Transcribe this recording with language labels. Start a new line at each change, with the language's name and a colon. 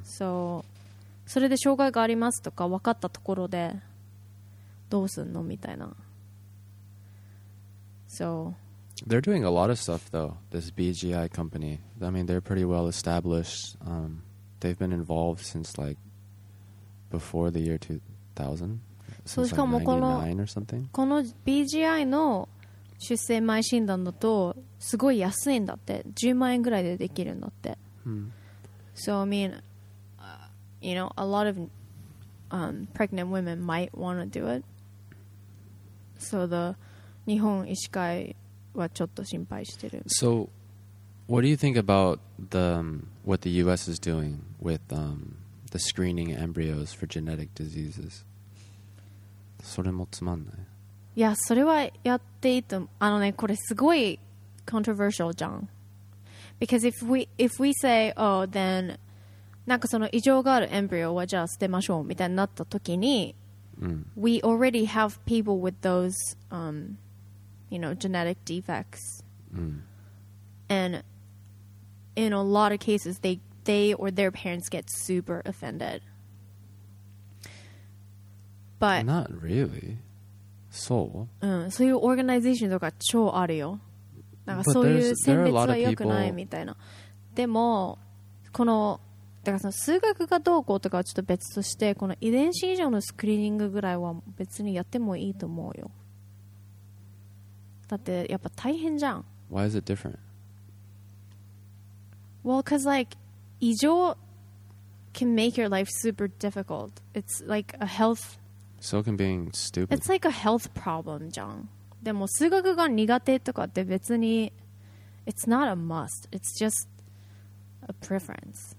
Japanese: so, それで障害がありますとか分かったところでどうすんのみたいな。
English: So they're doing a lot of stuff though, this BGI company. I mean, they're pretty well established. They've been involved since like before the year 2000, since like 99 or something.
Japanese: この BGI の出生前診断だとすごい安いんだって。 10万円ぐらいでできるんだって。
English: So I mean, you know, a lot of pregnant women might want to do it. So the
Japanese: 日本医師会はちょっと心配してる。
English: So what do you think about what the US is doing with the screening embryos for genetic diseases?
Japanese: それもつまんない。いやそれはやっていいと思う。あのねこれすごい controversial じゃん。
English: Because if we say oh then
Japanese: なんかその異常があるエンブリオはじゃあ捨てましょうみたいになった時に、
English: We already have people with those you know genetic defects、And in a lot of cases they or their parents get super offended. But not really
Japanese: そう、そういうオーガナイゼーションとか超あるよ。なんかそういう選別は良くないみたいな。でもこのだからその数学がどうこうとかはちょっと別として、この遺伝子異常のスクリーニングぐらいは別にやってもいいと思うよ。だってやっぱ大変じゃん。
English: Why is it different? Well, cause like 異常 can make your life super difficult. It's like a health So can being stupid. It's like a health problem, John.
Japanese: でも数学が苦手とかって別に、
English: it's not a must. It's just a preference.